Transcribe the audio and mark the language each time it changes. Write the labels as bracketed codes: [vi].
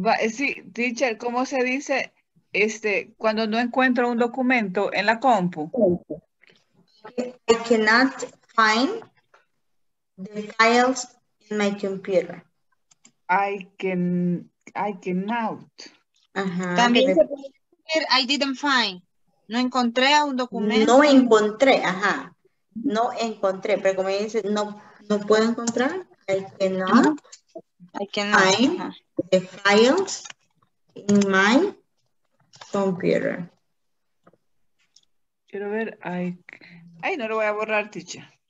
[es] Sí, teacher, ¿cómo se dice cuando no encuentro un documento en la compu? [en] I cannot find the files in my computer. I cannot. [es] También se puede decir, [en] I didn't find. [es] No encontré a un documento. No encontré, ajá. No encontré, pero como dice, no puedo encontrar. [en] I cannot find the files in my computer. [es] Quiero ver, ay, no lo voy a borrar, ticha.